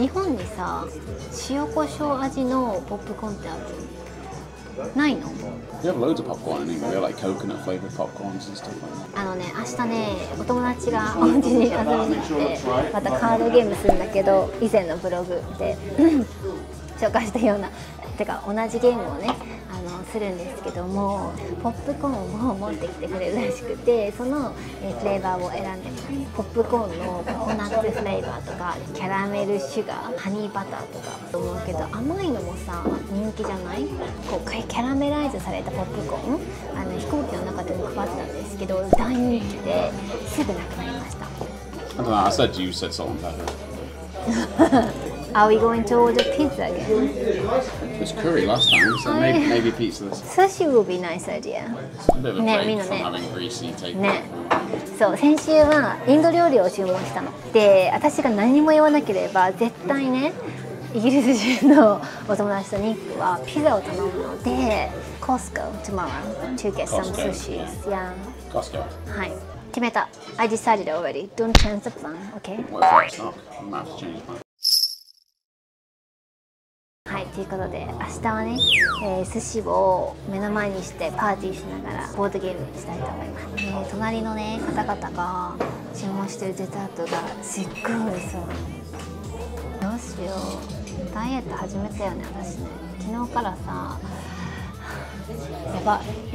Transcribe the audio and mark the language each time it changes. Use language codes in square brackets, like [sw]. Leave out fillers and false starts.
[ja] 日本にさ、塩コショウ味のポップコーンってあるないの？ [en] You have loads of popcorn in England. We have like coconut flavored popcorns and stuff like that. [ja] あのね、明日ね、お友達がお家に遊びに来て、またカードゲームするんだけど、以前のブログで紹介したような、てか同じゲームをね、するんですけども、ポップコーンを持ってきてくれるらしくて、そのフレーバーを選んでます。ポップコーンのココナッツフレーバーとか、キャラメルシュガー、ハニーバターとかと思うけど、甘いのもさ人気じゃない。こうキャラメライズされたポップコーン、あの飛行機の中でも配ってたんですけど、大人気ですぐなくなりました。あとは朝自由説を食べる。 [en] Are we going to order pizza again? It was curry last time, so maybe pizza. Sushi would be a nice idea. It's a bit of a break from having greasy takeout. [ja] ね、そう、先週はインド料理を注文したの。で、私が何も言わなければ、絶対ね、イギリス人のお友達とニックはピザを頼むので、 [en] Costco tomorrow to get some sushi. Costco. Yeah. Costco. [ja] はい。決めた。 [en] I decided already. Don't change the plan, okay? What if I stop? I'm going to have to change the plan. [ja] はい、ということで明日はね、寿司を目の前にしてパーティーしながらボードゲームしたいと思います。隣のね方々が注文してるデザートがすっごい美味しそう。どうしよう。ダイエット始めたよね私ね。昨日からさ、やばい。